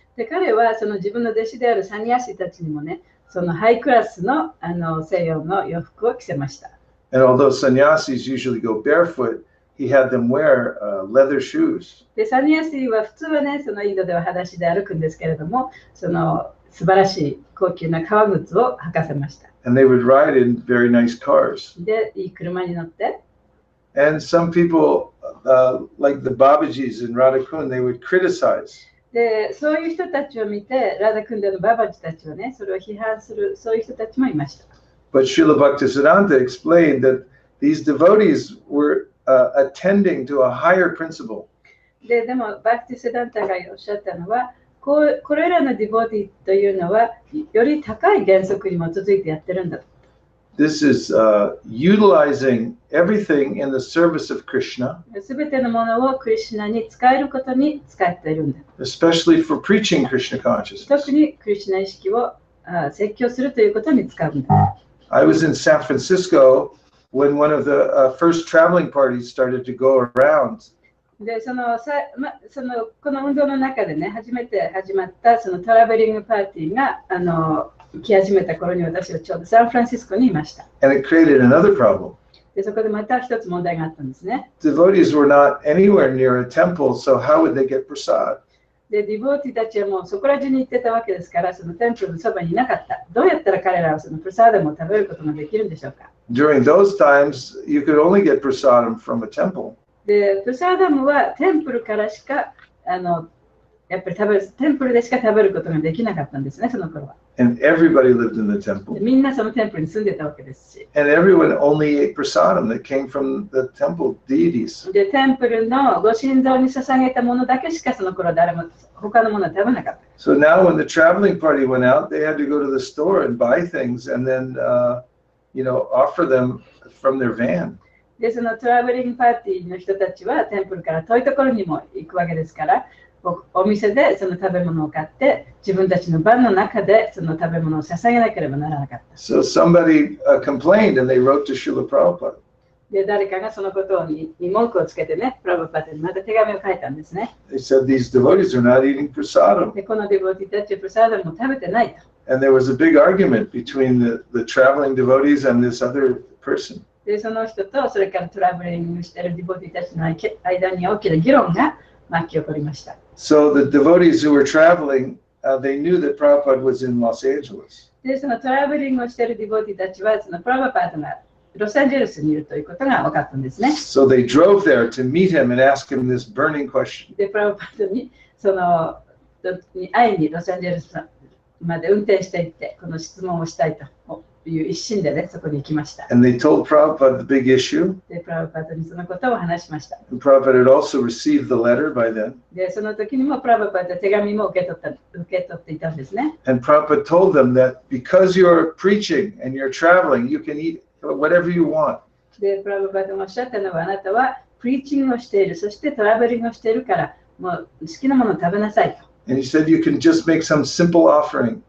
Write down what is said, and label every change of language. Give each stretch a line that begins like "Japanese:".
Japanese: で、彼はその自分の弟子であるサニヤシたちにもね、そのハイクラスの、あの西洋の洋服を着せました。
English: And although sannyasis usually go barefoot,He had them wear leather shoes.
Japanese: で、サニヤシは普通はね、そのインドでは裸足で歩くんですけれども、その素晴らしい高級な革靴を履かせました。
English: And they would ride in very nice cars.
Japanese: で、いい車に乗って。
English: And some people, like the Babajis in Radha Kund, they would criticize.
Japanese: で、そういう人たちを見て、ラダクンデのババジたちはね、それを批判する、そういう人たちもいました。
English: But Srila Bhaktisiddhanta explained that these devotees were... attending to a higher principle.
Japanese: で、でも、バクティセダンタがおっしゃったのは、これらのディボディというのは、より高い原則に基づいてやってるんだと。
English: This is utilizing everything in the service of Krishna.
Japanese: すべてのものをクリシュナに使えることに使っているんだ。
English: Especially for preaching Krishna consciousness.
Japanese: 特にクリシュナ意識を説教するということに使うんだ。
English: I was in San Francisco when one of the first traveling parties started to go around.
Japanese: でそのさ、ま、そのこの運動の中でね、初めて始まったそのトラベリングパーティーが来始めた頃に私はちょうどサンフランシスコにいました。
English: And it created another problem.
Japanese: でそこでまた一つ問題があったんですね。
English: Devotees were not anywhere near a temple, so how would they get prasad?
Japanese: で、ディボーティーたちはもうそこら中に行ってたわけですから、そのテンプルのそばにいなかった。どうやったら彼らはそのプラサダムを食べることができるんでしょうか?
English: During those times, you could only get prasad from a temple.
Japanese: で、プラサダムはテンプルからしか、やっぱり食べる、テンプルでしか食べることができなかったんですね、その頃は。
English: And everybody lived in the temple.
Japanese: みんなそのテンプルに住んでたわけですし。
English: And everyone only ate prasadam that came from the temple deities.
Japanese: で、テンプルのご神像に捧げたものだけしかその頃誰も他のものは食べなかった。
English: So now when the traveling party went out, they had to go to the store and buy things and then, you know, offer them from their van.
Japanese: で、そのトラベリングパーティーの人たちはテンプルから遠いところにも行くわけですから、お店でその食べ物を買って自分たちの番の中でその食べ物を捧げなければならなかった。
English: So somebody complained and they wrote to Srila Prabhupada.
Japanese: で誰かがそのことに文句をつけてね、プラブパテにまた手紙を書いたんですね。
English: They said these devotees are not eating prasadam.
Japanese: でこのディボーティーたちはプラサダムも食べてないと。
English: And there was a big argument between the traveling devotees and this other person.
Japanese: でその人とそれからトラベリングしてるディボーティーたちの間に大きな議論が巻き起こりました。
English: So the devotees who were traveling, they knew that Prabhupada was in Los Angeles.
Japanese: で、そのトラベリングをしているディボーティーたちは、そのプラバパートがロサンゼルスにいるということが分かったんですね。
English: So they drove there to meet him and ask him this burning question.
Japanese: で、プラバパートにその会いにロサンゼルスまで運転していって、この質問をしたいという一心でね、そこに行きました。
English: And they told Prabhupada the big issue.
Japanese: で、プラバパートにそのことを話しました。
English: And Prabhupada had also received the letter by then.
Japanese: で、その時にもプラバパートは手紙も受け取っていたんですね。
English: And Prabhupada told them that because you're preaching and you're traveling, you can eat whatever you want.
Japanese: で、プラバパートがおっしゃったのは、あなたはプリーチングをしている、そしてトラベリングをしているから、もう好きなものを食べなさいと。
English: And he said you can just make some simple offering.